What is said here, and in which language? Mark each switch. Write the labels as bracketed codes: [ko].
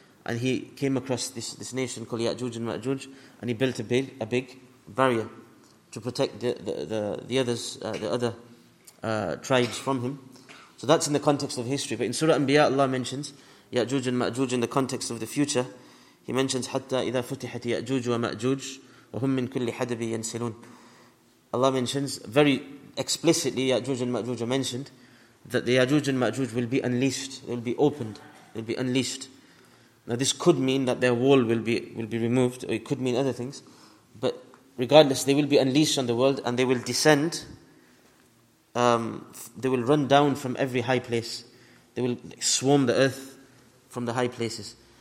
[en] And he came across this nation called Ya'juj and Ma'juj, and he built a big barrier to protect the other tribes from him. So that's in the context of history. But in Surah Anbiya, Allah mentions Ya'juj and Ma'juj in the context of the future. He mentions [ar] حَتَّى إِذَا فُتِحَتْ يَأْجُوجُ وَمَأْجُوجُ وَهُمْ مِنْ كُلِّ حَدَبِ يَنْسِلُونَ. [en] Allah mentions very explicitly, Ya'juj and Ma'juj are mentioned, that the Ya'juj and Ma'juj will be unleashed, they will be opened, they will be unleashed. Now this could mean that their wall will be removed, or it could mean other things, but regardless, they will be unleashed on the world, and they will descend, they will run down from every high place, they will swarm the earth from the high places.